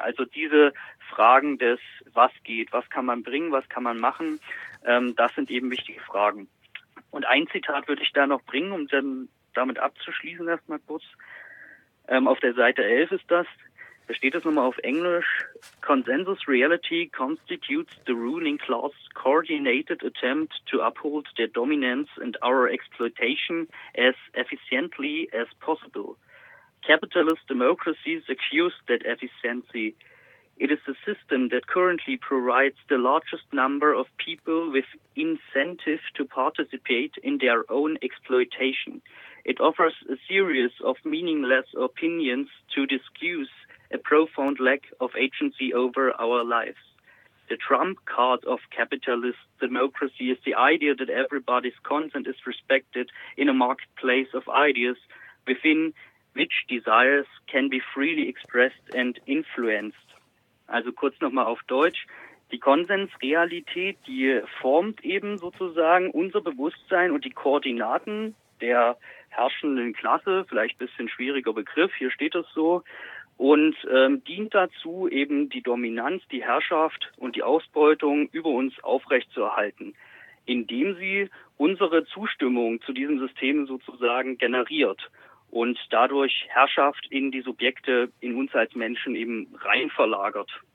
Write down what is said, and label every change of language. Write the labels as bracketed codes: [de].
[de] Also diese Fragen des, was geht, was kann man bringen, was kann man machen, das sind eben wichtige Fragen. Und ein Zitat würde ich da noch bringen, um dann damit abzuschließen erstmal kurz. Auf der Seite 11 ist das, da steht es nochmal auf Englisch. [en] Consensus reality constitutes the ruling class coordinated attempt to uphold their dominance and our exploitation as efficiently as possible. Capitalist democracies accuse that efficiency. It is the system that currently provides the largest number of people with incentive to participate in their own exploitation. It offers a series of meaningless opinions to discuss a profound lack of agency over our lives. The trump card of capitalist democracy is the idea that everybody's consent is respected in a marketplace of ideas within which desires can be freely expressed and influenced. [de] Also kurz nochmal auf Deutsch, die Konsensrealität, die formt eben sozusagen unser Bewusstsein und die Koordinaten der herrschenden Klasse, vielleicht ein bisschen schwieriger Begriff, hier steht es so, und dient dazu eben die Dominanz, die Herrschaft und die Ausbeutung über uns aufrechtzuerhalten, indem sie unsere Zustimmung zu diesem System sozusagen generiert und dadurch Herrschaft in die Subjekte, in uns als Menschen eben rein verlagert.